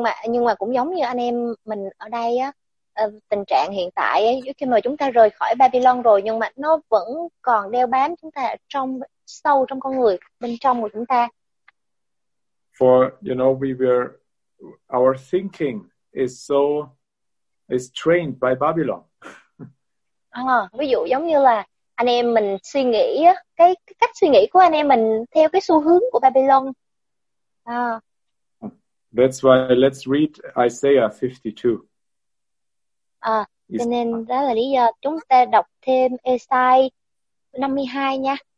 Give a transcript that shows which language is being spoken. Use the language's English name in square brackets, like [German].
[Vietnamese] Nhưng mà cũng giống như anh em mình ở đây á, tình trạng hiện tại ấy, khi mà chúng ta rời khỏi Babylon rồi nhưng mà nó vẫn còn đeo bám chúng ta sâu trong con người bên trong của chúng ta. [English] For you know, our thinking is trained by Babylon. [Vietnamese] Ví dụ giống như là anh em mình suy nghĩ, cái cách suy nghĩ của anh em mình theo cái xu hướng của Babylon. À. [English] That's why let's read Isaiah 52. [Vietnamese] À, cho nên đó là lý do chúng ta đọc thêm Esai 52 nha.